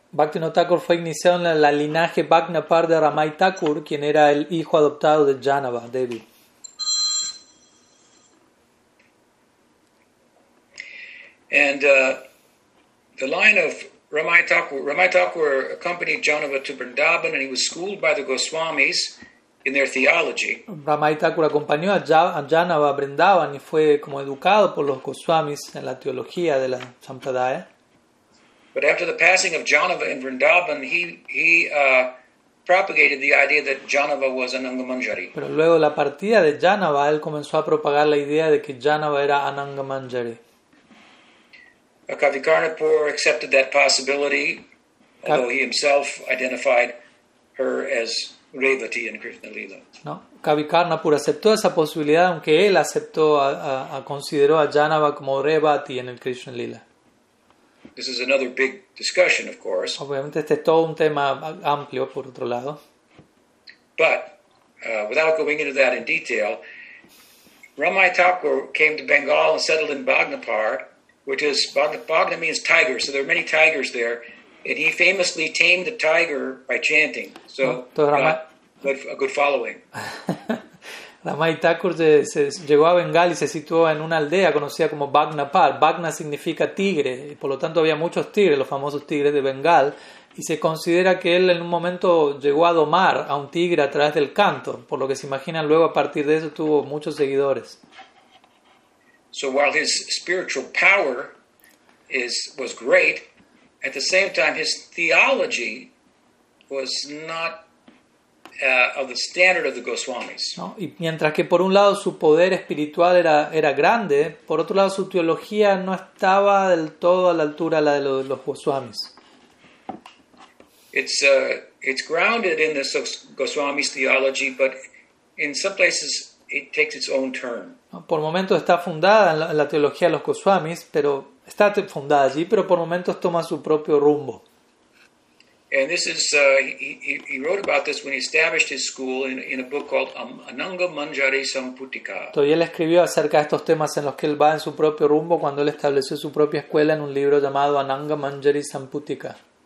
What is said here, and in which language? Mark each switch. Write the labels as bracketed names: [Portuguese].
[Spanish] Bhaktivinoda Thakur fue iniciado en la linaje Bhagnapar de Ramai Thakur, quien era el hijo adoptado de Janava, Devi. [English] And the line of Ramai Thakur accompanied Janava to Vrindavan, and he was schooled by the Goswamis in their theology. [Spanish] Ramai Thakur acompañó a Janava a Vrindavan y fue como educado por los Goswamis en la teología de la Sampradaya. [English] But after the passing of Janava in Vrindavan, he propagated the idea that Janava was Ananga Manjari. [Spanish] Pero luego la partida de Janava, él comenzó a propagar la idea de que Janava era Ananga Manjari. [English] Kavikarnapur accepted that possibility, although he himself identified her as Revati in Krishna Lila. [Spanish] No, Kavikarnapur aceptó esa posibilidad, aunque él aceptó, consideró a Janava como Revati en el Krishna Lila. [English] This is another big discussion, of course. [Spanish] Obviamente este es todo un tema amplio, por otro lado. [English] But, without going into that in detail, Ramai Thakur came to Bengal and settled in Bhagnapar, which is, Bhagna means tiger, so there are many tigers there, and he famously tamed the tiger by chanting, so a good following. [Spanish] Ramai Thakur llegó a Bengal y se situó en una aldea conocida como Bhagnapar. Bhagna significa tigre, y por lo tanto había muchos tigres, los famosos tigres de Bengal, y se considera que él en un momento llegó a domar a un tigre a través del canto, por lo que se imaginan luego a partir de eso tuvo muchos seguidores. [English] So while his spiritual power was great, at the same time his theology was not of the standard of the Goswamis. [Spanish] No, y mientras que por un lado su poder espiritual era grande, por otro lado su teología no estaba del todo a la altura la de los Goswamis. [English] It's grounded in the Goswamis theology, but in some places it takes its own turn. [Spanish] Por momentos está fundada en la teología de los Goswamis, pero está fundada allí, pero por momentos toma su propio rumbo. [English] And this is he wrote about this when he established his school in a book called Ananga Manjari Samputika. [Spanish] Y él escribió acerca de estos temas en los que él va en su propio rumbo cuando él estableció su propia escuela en un libro llamado Ananga Manjari Samputika.